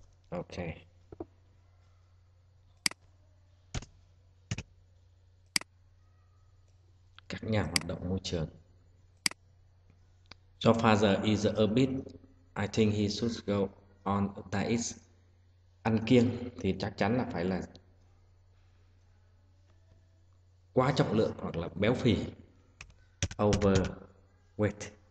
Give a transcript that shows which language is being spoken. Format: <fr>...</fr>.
<vi>Ok. các nhà hoạt động môi trường.</vi> <en>Your father is a bit, I think he should go on a diet.</en> <vi>Ăn kiêng thì chắc chắn là phải là quá trọng lượng hoặc là béo phì.</vi> <en>Overweight.</en>